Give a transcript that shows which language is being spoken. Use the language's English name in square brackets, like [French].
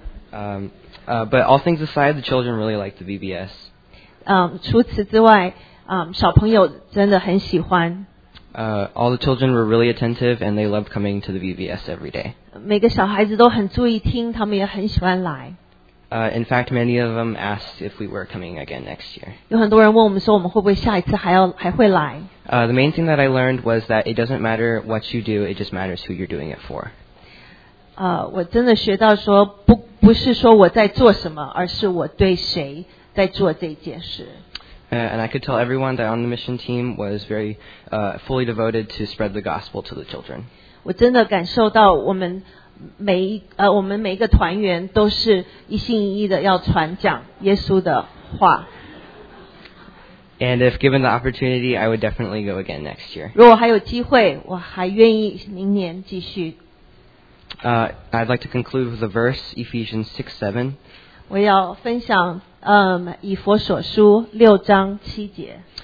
[English] But all things aside, the children really liked the VBS. [Chinese] 除此之外，小朋友真的很喜欢。 [English] All the children were really attentive and they loved coming to the VBS every day. [Chinese] 每个小孩子都很注意听，他们也很喜欢来。 [English] In fact, many of them asked if we were coming again next year. [Chinese] 有很多人问我们说我们会不会下一次还会来。 [English] The main thing that I learned was that it doesn't matter what you do, it just matters who you're doing it for. [Chinese] 我真的学到说不是说我在做什么，而是我对谁在做这件事。 [English] And I could tell everyone that on the mission team was very fully devoted to spread the gospel to the children. [Chinese] 我真的感受到我们每一个团员都是一心一意的要传讲耶稣的话。 [English] And if given the opportunity, I would definitely go again next year. [Chinese] 如果还有机会，我还愿意明年继续。 [English] I'd like to conclude with a verse, Ephesians 6:7. [Chinese] 我要分享以弗所书六章七节。